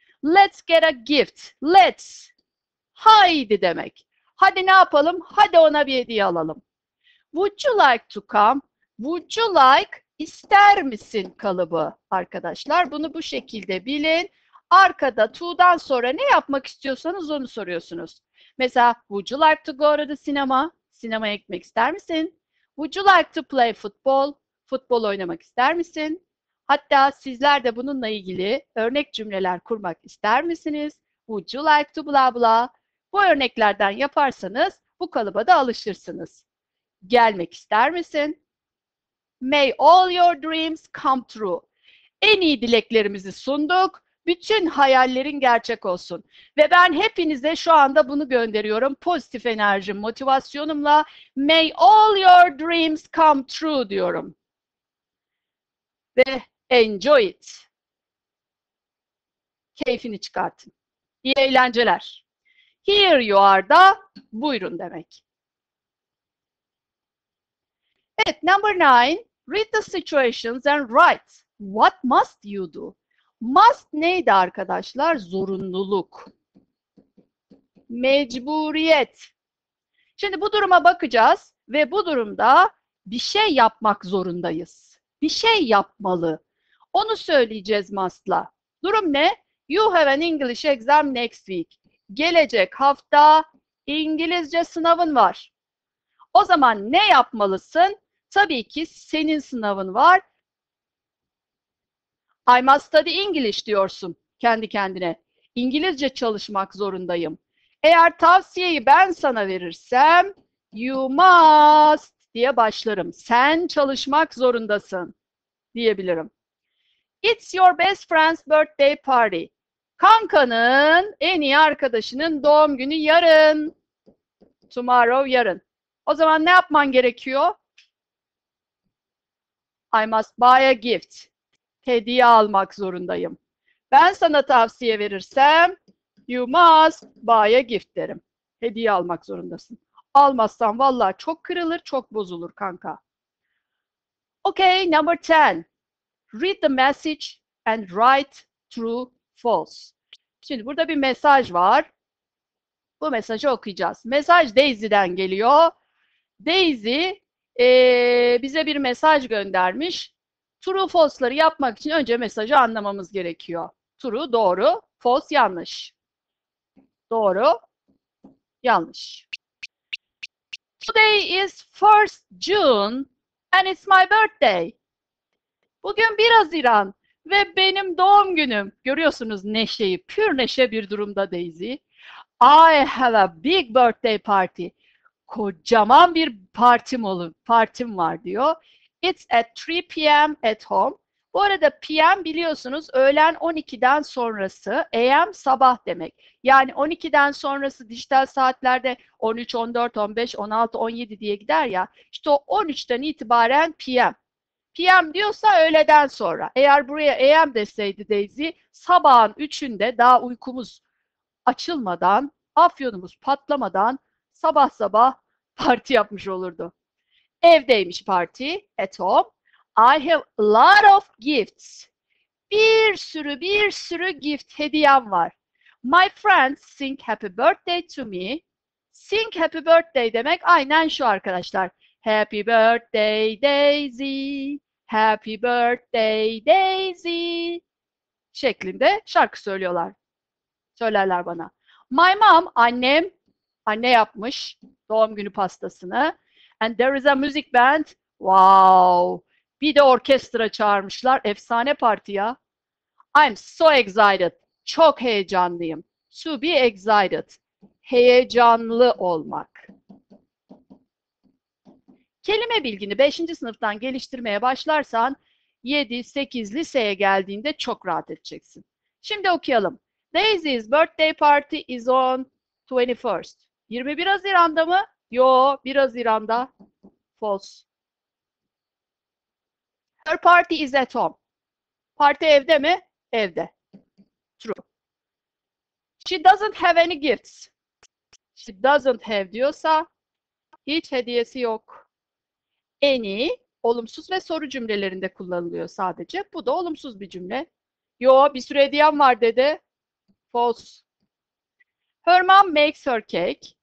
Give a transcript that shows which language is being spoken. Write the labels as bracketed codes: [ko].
[en] Let's get a gift. Let's. [tr] Haydi demek. Hadi ne yapalım? Hadi ona bir hediye alalım. [en] Would you like to come? Would you like [tr] ister misin kalıbı arkadaşlar? Bunu bu şekilde bilin. Arkada to'dan sonra ne yapmak istiyorsanız onu soruyorsunuz. [en] Mesela would you like to go to the cinema? [tr] Sinemaya gitmek ister misin? [en] Would you like to play football? [tr] Futbol oynamak ister misin? Hatta sizler de bununla ilgili örnek cümleler kurmak ister misiniz? [en] Would you like to blah blah? [tr] Bu örneklerden yaparsanız bu kalıba da alışırsınız. Gelmek ister misin? [en] May all your dreams come true. [tr] En iyi dileklerimizi sunduk. Bütün hayallerin gerçek olsun. Ve ben hepinize şu anda bunu gönderiyorum. Pozitif enerjim, motivasyonumla [en] May all your dreams come true [tr] diyorum. [en] Ve enjoy it. [tr] Keyfini çıkartın. İyi eğlenceler. [en] Here you are [tr] da buyurun demek. [en] Evet, number nine. Read the situations and write. What must you do? Must [tr] neydi arkadaşlar? Zorunluluk. Mecburiyet. Şimdi bu duruma bakacağız ve bu durumda bir şey yapmak zorundayız. Bir şey yapmalı. Onu söyleyeceğiz must'la. Durum ne? [en] You have an English exam next week. [tr] Gelecek hafta İngilizce sınavın var. O zaman ne yapmalısın? Tabii ki senin sınavın var. [en] I must study English [tr] diyorsun kendi kendine. İngilizce çalışmak zorundayım. Eğer tavsiyeyi ben sana verirsem, [en] you must [tr] diye başlarım. Sen çalışmak zorundasın diyebilirim. [en] It's your best friend's birthday party. [tr] Kankanın en iyi arkadaşının doğum günü yarın. Tomorrow yarın. O zaman ne yapman gerekiyor? [en] I must buy a gift. [tr] Hediye almak zorundayım. Ben sana tavsiye verirsem, [en] you must buy a gift [tr] derim. Hediye almak zorundasın. Almazsan vallahi çok kırılır, çok bozulur kanka. [en] Okay, number 10. Read the message and write true false. [tr] Şimdi burada bir mesaj var. Bu mesajı okuyacağız. Mesaj Daisy'den geliyor. Daisy bize bir mesaj göndermiş. True false'ları yapmak için önce mesajı anlamamız gerekiyor. True doğru, false yanlış. Doğru, yanlış. [en] Today is 1st June and it's my birthday. [tr] Bugün 1 Haziran Ve benim doğum günüm. Görüyorsunuz neşeyi. Pür neşe bir durumda Daisy. [en] I have a big birthday party. [tr] Kocaman bir partim var diyor. [en] It's at 3 p.m. at home. [tr] Bu arada PM biliyorsunuz öğlen 12'den sonrası, AM sabah demek. Yani 12'den sonrası dijital saatlerde 13, 14, 15, 16, 17 diye gider ya. İşte o 13'ten itibaren PM. PM diyorsa öğleden sonra. Eğer buraya AM deseydi Daisy, sabahın 3'ünde daha uykumuz açılmadan, afyonumuz patlamadan sabah sabah parti yapmış olurdu. Evdeymiş parti, [en] at home. I have a lot of gifts. [tr] Bir sürü gift hediyem var. [en] My friends sing happy birthday to me. Sing happy birthday [tr] demek aynen şu arkadaşlar. [en] Happy birthday Daisy. Happy birthday Daisy. [tr] Şeklinde şarkı söylüyorlar. Söylerler bana. My mom, annem, anne yapmış doğum günü pastasını. [en] And there is a music band. Wow. [tr] Bir de orkestra çağırmışlar. Efsane parti ya. [en] I'm so excited. [tr] Çok heyecanlıyım. [en] To be excited. [tr] Heyecanlı olmak. Kelime bilgini 5. sınıftan geliştirmeye başlarsan 7-8 liseye geldiğinde çok rahat edeceksin. Şimdi okuyalım. [en] Daisy's birthday party is on 21st. [tr] 21 Haziran'da mı? Yo, 1 Haziran'da. False. [en] Her party is at home. [tr] Parti evde mi? Evde. [en] True. She doesn't have any gifts. She doesn't have [tr] diyorsa hiç hediyesi yok. Any olumsuz ve soru cümlelerinde kullanılıyor sadece. Bu da olumsuz bir cümle. Yo, bir sürü hediyem var dedi. [en] False. Her mom makes her cake.